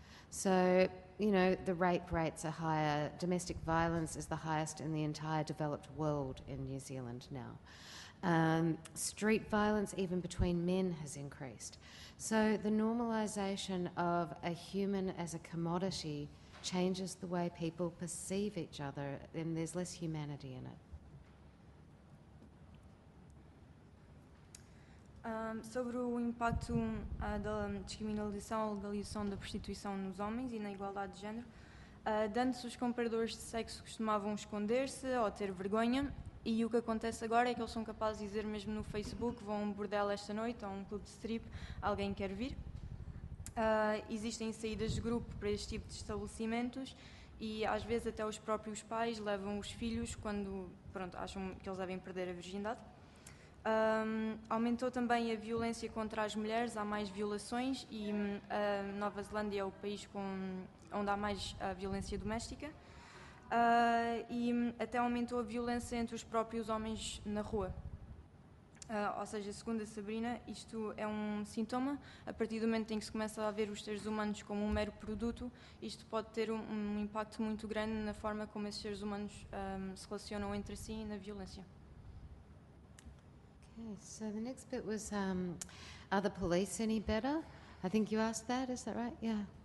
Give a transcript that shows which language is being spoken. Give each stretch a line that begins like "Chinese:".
English: So, you know, the rape rates are higher. Domestic violence is the highest in the entire developed world in New Zealand now. Street violence, even between men, has increased. So the normalisation of a human as a commodity changes the way people perceive each other, and there's less humanity in it.
Portuguese: Sobre o impacto da descriminalização ou legalização da prostituição nos homens e na igualdade de género, dantes os compradores de sexo costumavam esconder-se ou ter vergonha, e o que acontece agora é que eles são capazes de dizer mesmo no Facebook, vão a um bordel esta noite ou a um clube de strip, alguém quer vir. Existem saídas de grupo para este tipo de estabelecimentos e às vezes até os próprios pais levam os filhos quando pronto, acham que eles devem perder a virgindade. Aumentou também a violência contra as mulheres, há mais violações e a Nova Zelândia é o país onde há mais violência doméstica. E até aumentou a violência entre os próprios homens na rua. Ou seja, segundo a Sabrina, isto é um sintoma. A partir do momento em que se começa a ver os seres humanos como um mero produto, isto pode ter um impacto muito grande na forma como esses seres humanos se relacionam entre si e na violência.
English: Okay, so the next bit was, are the police any better? I think you asked that, is that right? Yeah.